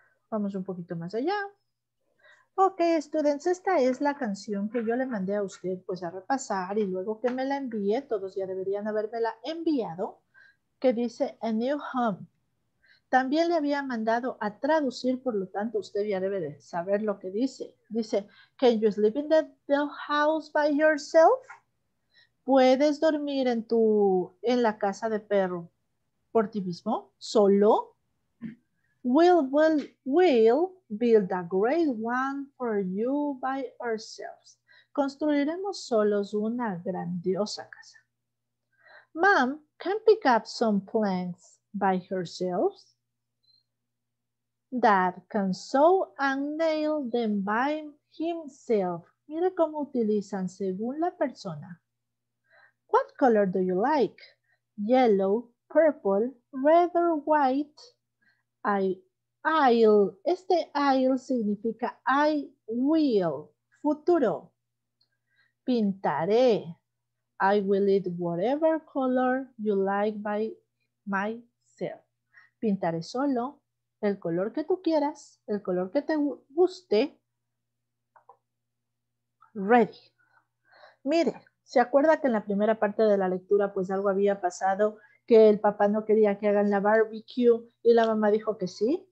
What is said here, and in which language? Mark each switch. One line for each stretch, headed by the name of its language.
Spanish: Vamos un poquito más allá.
English: Ok, students,
Spanish: esta es la canción que yo le mandé a usted, pues, a repasar. Y luego que me la envíe, todos ya deberían habérmela enviado, que dice A New Home. También le había mandado a traducir, por lo tanto, usted ya debe de saber lo que dice. Dice,
English: can you sleep in the house by yourself?
Spanish: ¿Puedes dormir en la casa de perro por ti mismo, solo?
English: We'll build a great one for you by ourselves.
Spanish: Construiremos solos una grandiosa casa.
English: Mom can pick up some plants by herself. Dad can sew and nail them by himself.
Spanish: Mire cómo utilizan según la persona.
English: What color do you like? Yellow, purple, red or white?
Spanish: I'll significa I will, futuro. Pintaré.
English: I will eat whatever color you like by myself.
Spanish: Pintaré solo. El color que tú quieras, el color que te guste.
English: Ready.
Spanish: Mire, ¿se acuerda que en la primera parte de la lectura, pues algo había pasado? Que el papá no quería que hagan la barbecue y la mamá dijo que sí.